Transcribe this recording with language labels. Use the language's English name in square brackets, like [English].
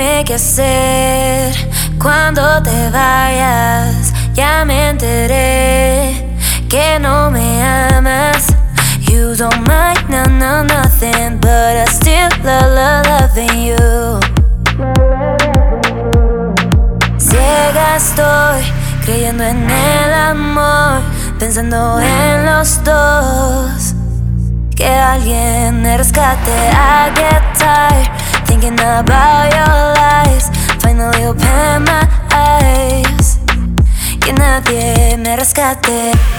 [Spanish] ¿Qué hacer cuando te vayas? Ya me enteré que no me amas. [English] You don't mind, no, no, nothing, but I still love, love, loving you. [Spanish] Ciega estoy, creyendo en el amor, pensando en los dos, que alguien me rescate. [English] I get tired thinking about your lies. Finally open my eyes. [Spanish] Que nadie me rescate.